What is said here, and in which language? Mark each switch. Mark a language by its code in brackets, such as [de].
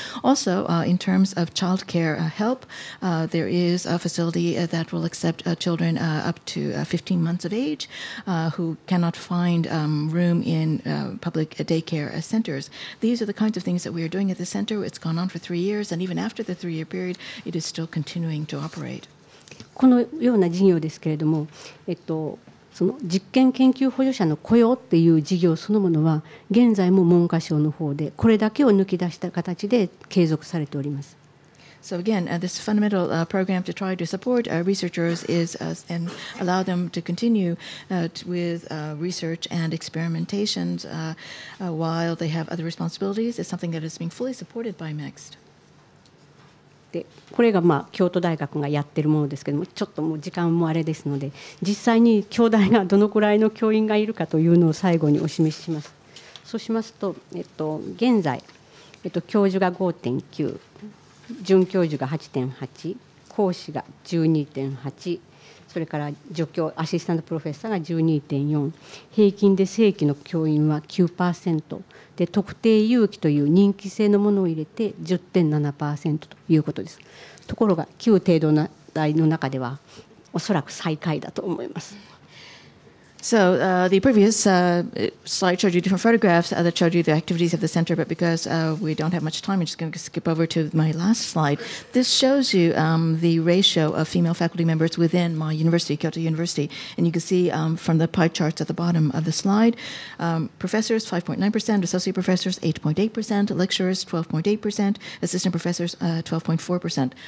[en] Also, in terms of childcare help, there is a facility that will accept children up to 15 months of age who cannot find room in public daycare centers. These are the kinds of things that we are doing at the center. It's gone on for 3 years, and even after the 3 year period, it is still continuing to operate. [ja] このような事業ですけれども、その実験研究補助者の雇用っていう事業そのものは現在も文科省の方でこれだけを抜き出した形で継続されております。 [en] So again, this fundamental program to try to support researchers is and allow them to continue with research and experimentations while they have other responsibilities is something that is being fully supported by MEXT. [ja] でこれがまあ京都大学がやっているものですけども、ちょっともう時間もあれですので、実際に京大がどのくらいの教員がいるかというのを最後にお示しします。そうしますと、現在、教授が 5.9、准教授が 8.8、講師が 12.8、それから助教、アシスタントプロフェッサーが 12.4、平均で正規の教員は 9%。で特定有機という任期制のものを入れて 10.7% ということです。ところが旧程度の代の中ではおそらく最下位だと思います。 [en] So the previous slide showed you different photographs that showed you the activities of the center, but because we don't have much time, I'm just going to skip over to my last slide. This shows you the ratio of female faculty members within my university, Kyoto University. And you can see from the pie charts at the bottom of the slide, professors 5.9%, associate professors 8.8%, lecturers 12.8%, assistant professors 12.4%.